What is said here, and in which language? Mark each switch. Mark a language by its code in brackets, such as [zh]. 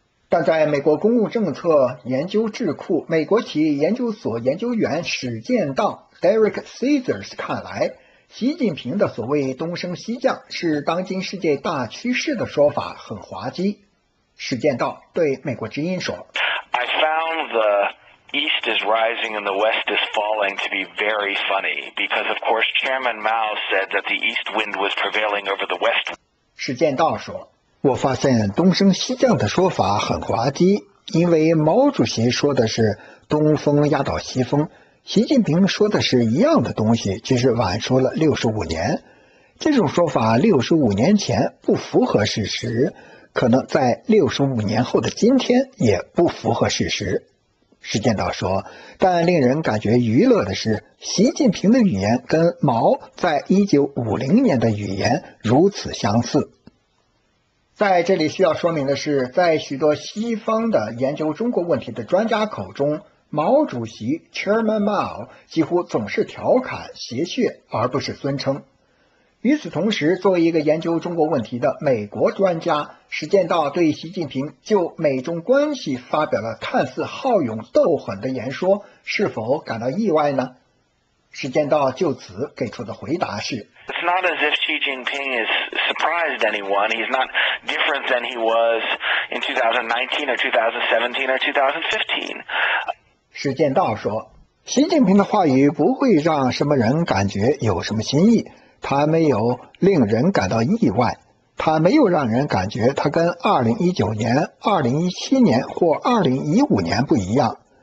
[zh] 但在美国公共政策研究智库美国企业研究所研究员史建道 Derek Caesars 看来，习近平的所谓东升西降是当今世界大趋势的说法很滑稽。史建道对美国之音说， [en] I found the East is rising and the West is falling to be very funny because of course Chairman Mao said that the East wind was prevailing over the West。 [zh] 史建道说，我发现东升西降的说法很滑稽，因为毛主席说的是东风压倒西风，习近平说的是一样的东西，只是晚说了65年。这种说法65年前不符合事实，可能在65年后的今天也不符合事实。史建道说，但令人感觉娱乐的是，习近平的语言跟毛在1950年的语言如此相似。在这里需要说明的是，在许多西方的研究中国问题的专家口中，毛主席 Chairman Mao 几乎总是调侃谐谑而不是尊称。与此同时，作为一个研究中国问题的美国专家，史建道对习近平就美中关系发表了看似好勇斗狠的言说，是否感到意外呢？史建道就此给出的回答是， [en] It's not as if Xi Jinping is surprised anyone. He's not different than he was in 2019 or 2017 or 2015. [zh] 史建道说，习近平的话语不会让什么人感觉有什么新意，他没有令人感到意外，他没有让人感觉他跟2019年、2017年或2015年不一样。